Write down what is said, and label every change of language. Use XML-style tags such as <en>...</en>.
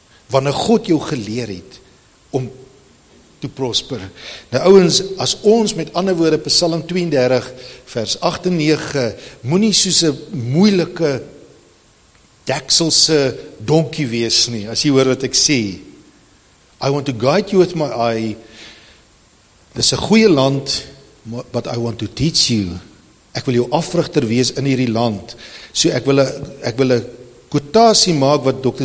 <af>Wanneer God jou geleer het om te prosper. Nou ouens, as ons met ander woorde, Psalm 32 vers 8 en 9, moet nie soos 'n moeilike dekselse donkie wees nie, as jy hoor wat ek sê.</af> <en>I want to guide you with my eye.</en> <af>Dit is 'n goeie land,</af> <en>but I want to teach you.</en> <af>Ek wil jou afrigter wees in hierdie land. So ek wil een quotasie maak wat Dr.</af>